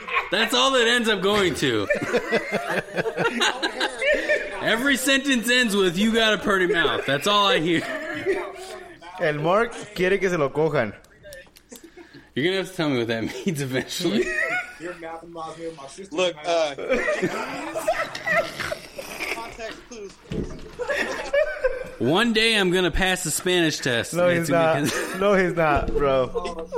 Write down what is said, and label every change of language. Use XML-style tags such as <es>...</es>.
<en>That's all it ends up going to. Every sentence ends with "you got a purty mouth." That's all I hear.</en> <es>El Mark quiere que se lo cojan.</es> <en>You're gonna have to tell me what that means eventually. Your mouth and mouth here, my sister. Look. One day I'm going to pass the Spanish test. No, he's not. No, he's not, bro.</en>